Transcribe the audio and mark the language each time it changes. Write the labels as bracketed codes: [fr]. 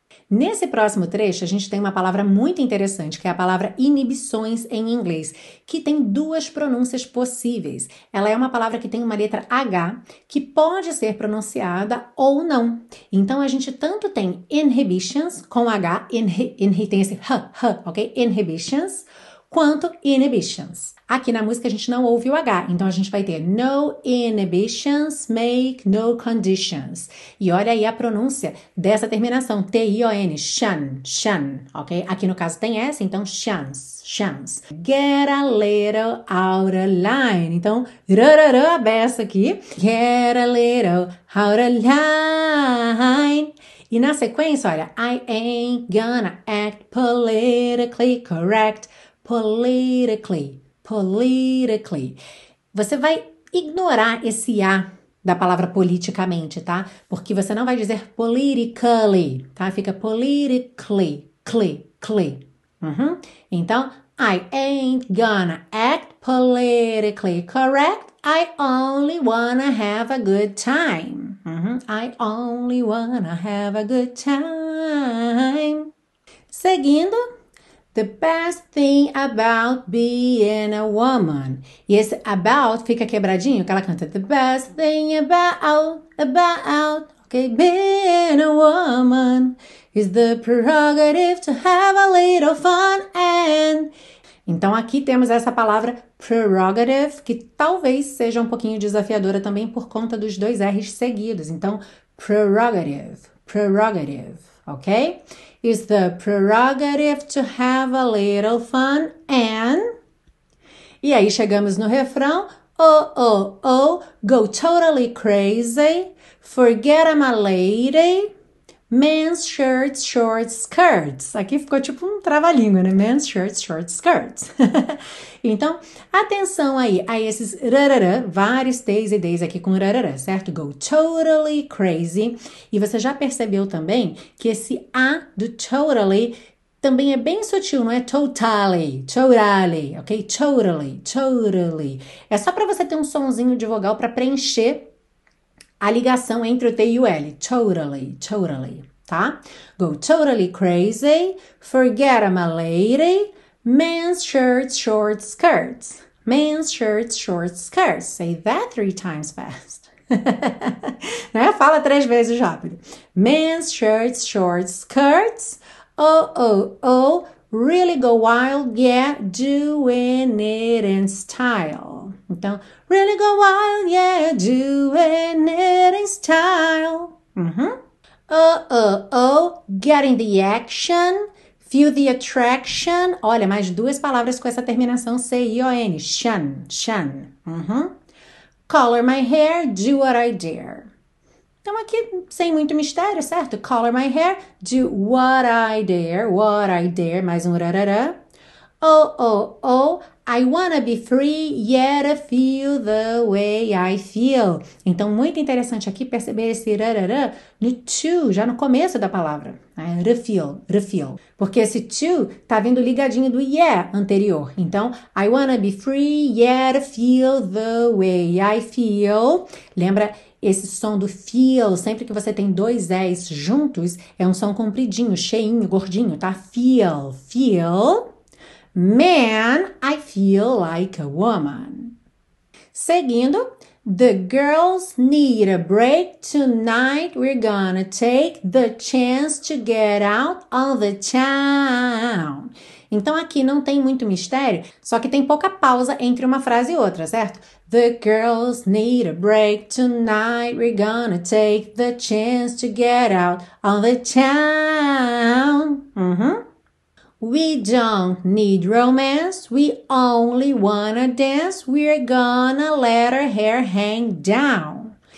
[pt] Nesse próximo trecho, a gente tem uma palavra muito interessante, que é a palavra inibições em inglês, que tem duas pronúncias possíveis. Ela é uma palavra que tem uma letra H, que pode ser pronunciada ou não. Então, a gente tanto tem inhibitions com H, tem esse h, ok? Inhibitions, quanto inhibitions. Aqui na música, a gente não ouve o H, então a gente vai ter [en] no inhibitions, make no conditions. [pt] E olha aí a pronúncia dessa terminação, T-I-O-N, shun, shun, ok? Aqui no caso tem S, então shuns, shuns. [en] Get a little out of line. [pt] Então, rararã a beça aqui. [en] Get a little out of line. [pt] E na sequência, olha, [en] I ain't gonna act politically correct. Politically, politically. [pt] Você vai ignorar esse A da palavra politicamente, tá? Porque você não vai dizer politically, tá? Fica politically, cli, cli. [en] Então, I ain't gonna act politically correct. I only wanna have a good time. I only wanna have a good time. Seguindo, the best thing about being a woman. [pt] E esse about fica quebradinho, que ela canta [en] the best thing about, okay, being a woman is the prerogative to have a little fun and. [pt] Então aqui temos essa palavra prerogative, que talvez seja um pouquinho desafiadora também por conta dos dois R's seguidos. Então, prerogative, prerogative, ok? [en] Is the prerogative to have a little fun and. [pt] E aí chegamos no refrão. [en] Oh, oh, oh, go totally crazy, forget I'm a lady, men's shirts, shorts, skirts. [pt] Aqui ficou tipo um trava-língua, né? [en] Men's shirts, shorts, skirts. [pt] Então, atenção aí a esses rarará, vários T's e D's aqui com rarará, certo? [en] Go totally crazy. [pt] E você já percebeu também que esse A do totally também é bem sutil, não é? [en] Totally, totally, ok? Totally, totally. [pt] É só para você ter um sonzinho de vogal para preencher a ligação entre o T e o L. [en] Totally, totally, tá? Go totally crazy, forget I'm a lady, men's shirts, shorts, skirts. Men's shirts, shorts, skirts. Say that three times fast. Né? [pt] Fala três vezes rápido. [en] Men's shirts, shorts, skirts. Oh, oh, oh, really go wild, yeah, doing it in style. Então, really go wild, yeah, doing it in style. Oh, oh, oh, getting the action, feel the attraction. [pt] Olha, mais duas palavras com essa terminação C-I-O-N, shun, shun. [en] Color my hair, do what I dare. [pt] Então, aqui, sem muito mistério, certo? [en] Color my hair, do what I dare, [pt] mais um rarará. [en] Oh, oh, oh, I wanna be free, yet I feel the way I feel. [pt] Então, muito interessante aqui perceber esse rarará no to, já no começo da palavra. Né? Refill, refill. Porque esse to tá vindo ligadinho do yeah anterior. [en] Então, I wanna be free, yet I feel the way I feel. [pt] Lembra esse som do feel, sempre que você tem dois S juntos, é um som compridinho, cheinho, gordinho, tá? [en] Feel, feel. Man, I feel like a woman. Seguindo, the girls need a break tonight. We're gonna take the chance to get out of the town. [pt] Então aqui não tem muito mistério, só que tem pouca pausa entre uma frase e outra, certo? [en] The girls need a break tonight. We're gonna take the chance to get out of the town. We don't need romance, we only wanna dance, we're gonna let our hair hang down.